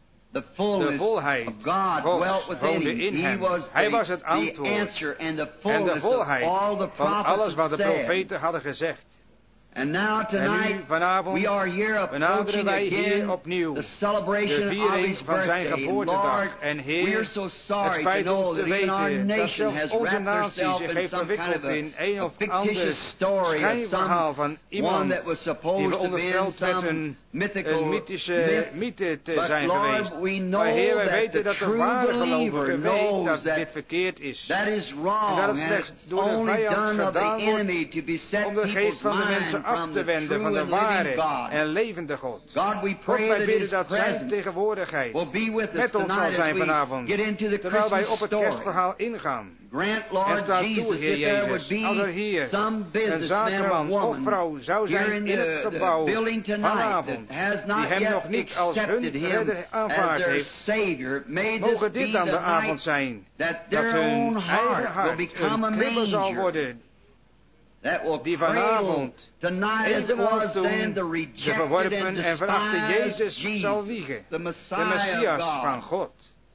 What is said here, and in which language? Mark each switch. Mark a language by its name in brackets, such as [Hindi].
[Dutch] De volheid Gods woonde in hem. Hij was het antwoord en de volheid van alles wat de profeten hadden gezegd. [English] And now tonight, we are here approaching again the celebration of his birthday. And Heer, we are so sorry to know that even our nation has wrapped herself in some kind of a fictitious story of someone that was supposed to be some mythical myth. But Lord, we know that the true believer knows that that is wrong and it's only done of the enemy to beset people's minds [Dutch] af te wenden van de ware en levende God. God, wij bidden dat zijn tegenwoordigheid met ons zal zijn vanavond, terwijl wij op het kerstverhaal ingaan. [English] Grant, Lord [Dutch] en staat toe, Heer Jezus, als er hier een zakenman of vrouw zou zijn in het gebouw vanavond, die hem nog niet als hun redder aanvaard heeft, mogen dit aan de avond zijn, dat hun eigen hart een kribbel zal worden, die vanavond evenals toen de verworpen en verachte Jezus zal wiegen, de Messias van God.